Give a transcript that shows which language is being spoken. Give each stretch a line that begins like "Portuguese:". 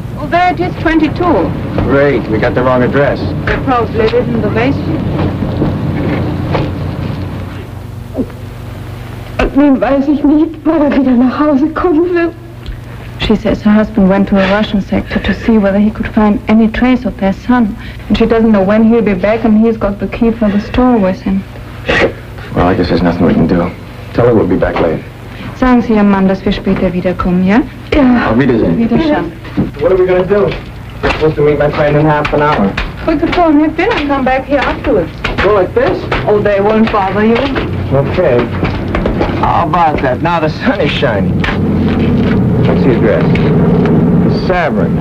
English: There it is, 22. Great, we got the wrong address. There probably isn't the basement.
German: Nun weiß ich nicht, wo er wieder nach Hause kommen will.
English: She says her husband went to a Russian sector to see whether he could find any trace of their son. And she doesn't know when he'll be back, and he's got the key for the store with him. Well, I guess there's nothing we can do. Tell her we'll be back late.
German: Sagen Sie Ihrem Mann, dass wir später wiederkommen, ja? Ja. Auf Wiedersehen.
English: What are we going to do? We're supposed to meet my friend in half an hour. We could phone him in and come back here afterwards. Go like this? Oh, they won't bother you. Okay. How about that? Now the sun is shining. What's the address? Severin.